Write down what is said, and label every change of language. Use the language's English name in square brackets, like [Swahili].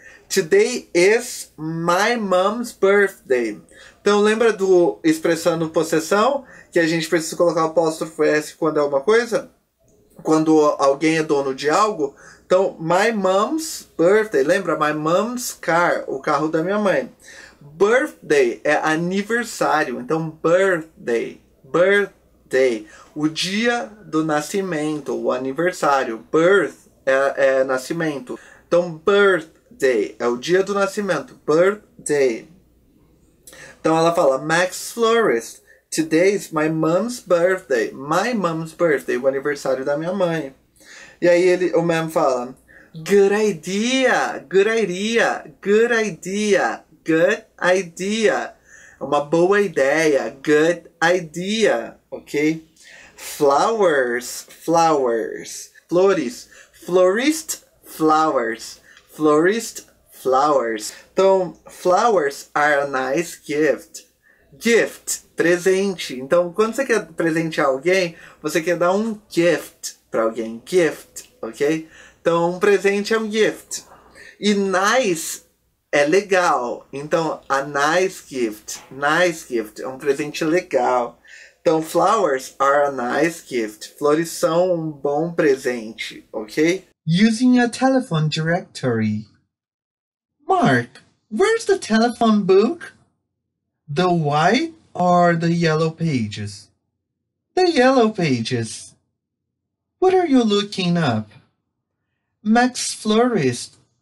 [English] Today is my mom's birthday. [Portuguese] Então, lembra do expressando possessão? Que a gente precisa colocar o apóstrofo S quando é uma coisa? Quando alguém é dono de algo. Então, [English] my mom's birthday, [Portuguese] lembra? [English] My mom's car, [Portuguese] o carro da minha mãe. Birthday é aniversário. Então, birthday, birthday, o dia do nascimento, o aniversário. Birth é nascimento. Então, birthday é o dia do nascimento. [English] Birthday. [Portuguese] Então, ela fala: [English] Max Florist, today's my mom's birthday. My mom's birthday, [Portuguese] o aniversário da minha mãe. E aí, o mem fala: [English] Good idea, good idea, good idea, good idea. [Portuguese] Uma boa ideia, [English] good idea, [Portuguese] ok? [English] Flowers, flowers, flores, florist, flowers, florist, flowers. Então, flowers are a nice gift. [Portuguese] Gift, presente. Então, quando você quer presente a alguém, você quer dar um gift para alguém. Gift, ok? Então, um presente é um gift. E nice é legal. Então, [English] a nice gift, [Portuguese] é um presente legal. [English] Então, flowers are a nice gift. [Portuguese] Flores são um bom presente, ok? [English] Using a telephone directory. Mark, where's the telephone book? The white or the yellow pages? The yellow pages. What are you looking up? Max Florist.